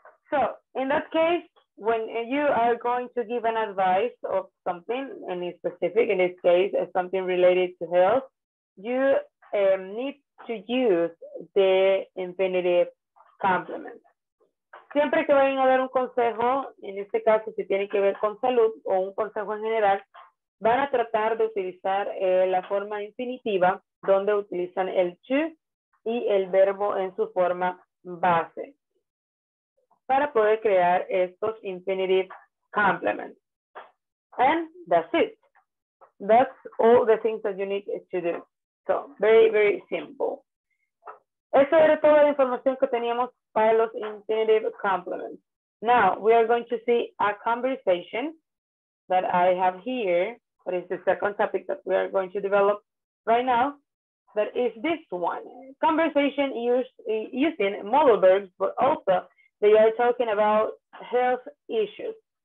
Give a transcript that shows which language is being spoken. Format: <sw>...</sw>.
<en>So in that case, when you are going to give an advice of something, any specific, in this case, something related to health, you need to use the infinitive complement.</en> <es>Siempre que vayan a dar un consejo, en este caso, si tiene que ver con salud o un consejo en general, van a tratar de utilizar la forma infinitiva, donde utilizan el to y el verbo en su forma base, para poder crear estos infinitive complements.</es> <en>And that's it. That's all the things that you need to do. So, very, very simple.</en> <es>Eso era toda la información que teníamos para los infinitive complements.</es> <en>Now, we are going to see a conversation that I have here, but it's the second topic that we are going to develop right now. That is this one. Conversation using modal verbs, but also they are talking about health issues.</en>